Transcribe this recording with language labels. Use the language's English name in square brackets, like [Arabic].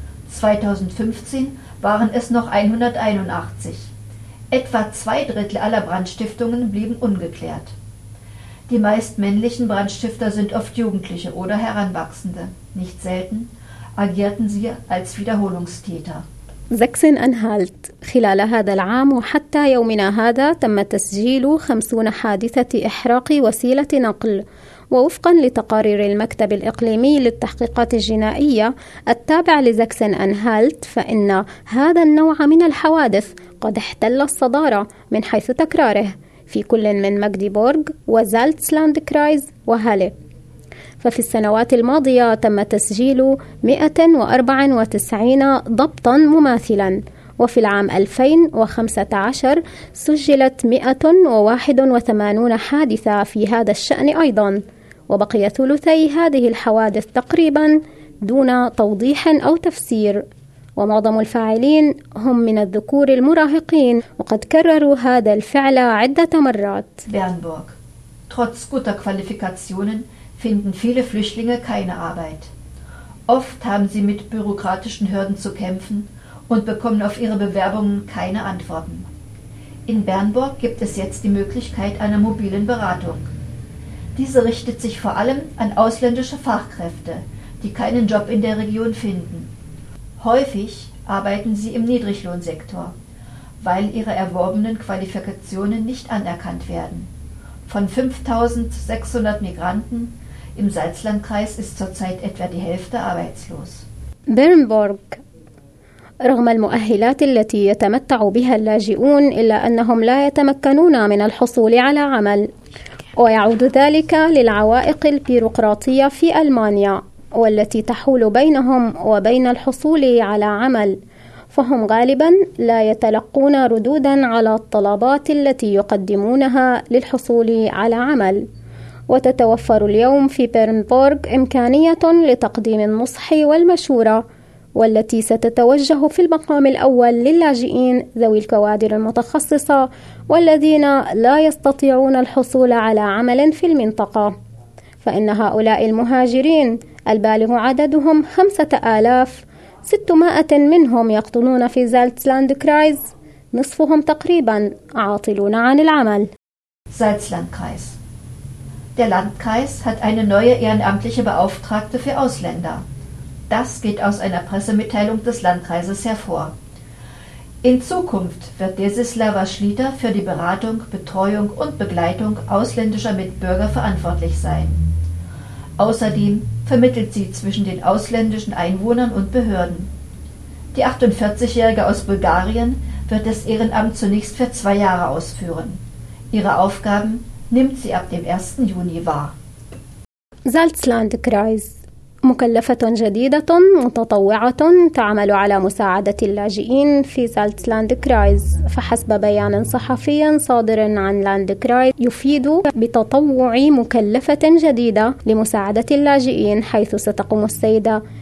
[German] 2015 waren es noch 181. Etwa zwei Drittel aller Brandstiftungen blieben ungeklärt. Die meist männlichen Brandstifter sind oft Jugendliche oder Heranwachsende, nicht selten agierten sie als Wiederholungstäter. [Arabic] 60 أنهالت خلال هذا العام وحتى يومنا هذا تم تسجيل 50 حادثة إحراق وسيلة نقل. ووفقا لتقارير المكتب الإقليمي للتحقيقات الجنائية التابع لزاكسن أنهالت، فإن هذا النوع من الحوادث قد احتل الصدارة من حيث تكراره في كل من ماجديبورغ وزالتسلاند كرايز وهالي. ففي السنوات الماضية تم تسجيل 194 ضبطا مماثلا، وفي العام 2015 سجلت 181 حادثة في هذا الشأن أيضا، وبقي ثلثي هذه الحوادث تقريبا دون توضيح أو تفسير، ومعظم الفاعلين هم من الذكور المراهقين وقد كرروا هذا الفعل عدة مرات. [German] Bernburg. Trotz guter Qualifikationen finden viele Flüchtlinge keine Arbeit. Oft haben sie mit bürokratischen Hürden zu kämpfen und bekommen auf ihre Bewerbungen keine Antworten. In Bernburg gibt es jetzt die Möglichkeit einer mobilen Beratung. Diese richtet sich vor allem an ausländische Fachkräfte, die keinen Job in der Region finden. Häufig arbeiten sie im Niedriglohnsektor, weil ihre erworbenen Qualifikationen nicht anerkannt werden. Von 5.600 Migranten im Salzlandkreis ist zurzeit etwa die Hälfte arbeitslos. Bernburg. [Arabic] رغم المؤهلات التي يتمتع بها اللاجئون إلا أنهم لا يتمكنون من الحصول على عمل، ويعود ذلك للعوائق البيروقراطية في ألمانيا والتي تحول بينهم وبين الحصول على عمل، فهم غالبا لا يتلقون ردودا على الطلبات التي يقدمونها للحصول على عمل. وتتوفر اليوم في بيرنبورغ إمكانية لتقديم النصح والمشورة، والتي ستتوجه في المقام الأول للاجئين ذوي الكوادر المتخصصة والذين لا يستطيعون الحصول على عمل في المنطقة، فإن هؤلاء المهاجرين البالغ عددهم 5600 منهم يقطنون في زالتسلاند كرايز، نصفهم تقريبا عاطلون عن العمل. زالتسلاند كرايز. [German] Der Landkreis hat eine neue ehrenamtliche Beauftragte für Ausländer. Das geht aus einer Pressemitteilung des Landkreises hervor. In Zukunft wird Desislava Schlieter für die Beratung, Betreuung und Begleitung ausländischer Mitbürger verantwortlich sein. Außerdem vermittelt sie zwischen den ausländischen Einwohnern und Behörden. Die 48-Jährige aus Bulgarien wird das Ehrenamt zunächst für 2 Jahre ausführen. Ihre Aufgaben nimmt sie ab dem 1. Juni wahr. Salzlandkreis. [Arabic] مكلفة جديدة متطوعة تعمل على مساعدة اللاجئين في زالتسلاند كرايز، فحسب بيان صحفي صادر عن لاند كرايز يفيد بتطوع مكلفة جديدة لمساعدة اللاجئين، حيث ستقوم السيدة